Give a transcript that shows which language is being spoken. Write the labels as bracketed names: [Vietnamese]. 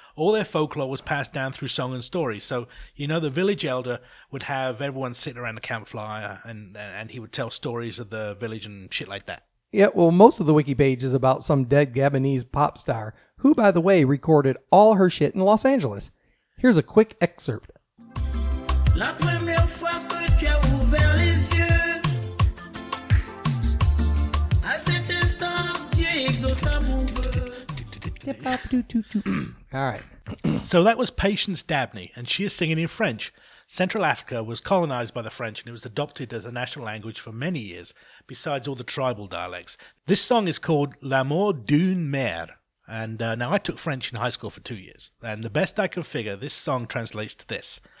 [English] All their folklore was passed down through song and story. So, you know, the village elder would have everyone sit around the campfire and he would tell stories of the village and shit like that. Yeah, well, most of the wiki page is about some dead Gabonese pop star who, by the way, recorded all her shit in Los Angeles. Here's a quick excerpt. [French] La première fois que tu as ouvert les yeux, à cet instant, Dieu exauça mon vœu. [English] All right. So that was Patience Dabney, and she is singing in French. Central Africa was colonized by the French, and it was adopted as a national language for many years, besides all the tribal dialects. This song is called L'amour d'une mère. And now, I took French in high school for 2 years, and the best I can figure, this song translates to this.